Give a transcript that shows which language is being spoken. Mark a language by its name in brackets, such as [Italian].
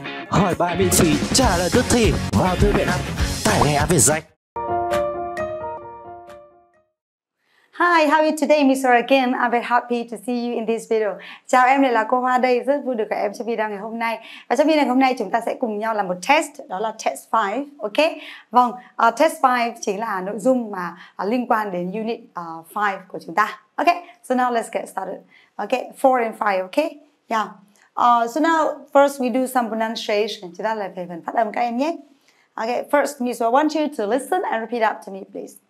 [Vietnamese] Hỏi bài miễn phí, trả lời tức thì vào thư viện app, tải ngay áp về danh. [English] Hi, how are you today, Miss Hoa again? I'm very happy to see you in this video. [Vietnamese] Chào em, đây là cô Hoa đây. Rất vui được gặp em trong video ngày hôm nay. Và trong video ngày hôm nay chúng ta sẽ cùng nhau làm một test, đó là test 5, ok? Vâng, test 5 chính là nội dung mà liên quan đến unit 5 của chúng ta. [English] Ok, so now let's get started. Ok, 4 and 5, ok? Yeah. So now, first we do some pronunciation. [Vietnamese] Chúng ta lại về phần phát âm các em nhé. [English] Ok, first, Miss Hoa, I want you to listen and repeat up to me, please.